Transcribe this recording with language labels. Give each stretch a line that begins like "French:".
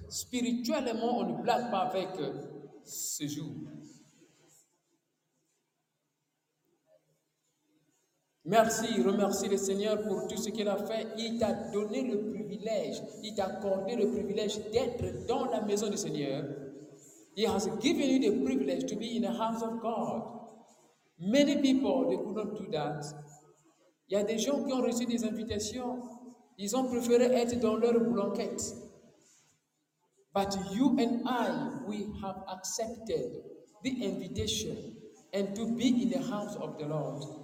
French: Spirituellement, on ne blague pas avec ce jour. Merci, remercie le Seigneur pour tout ce qu'il a fait. Il t'a donné le privilège, il t'a accordé le privilège d'être dans la maison du Seigneur.
English: He has given you the privilege to be in the house of God. Many people, they could not do that.
French: Il y a des gens qui ont reçu des invitations. Ils ont préféré être dans leur blanquette.
English: But you and I, we have accepted the invitation and to be in the house of the Lord.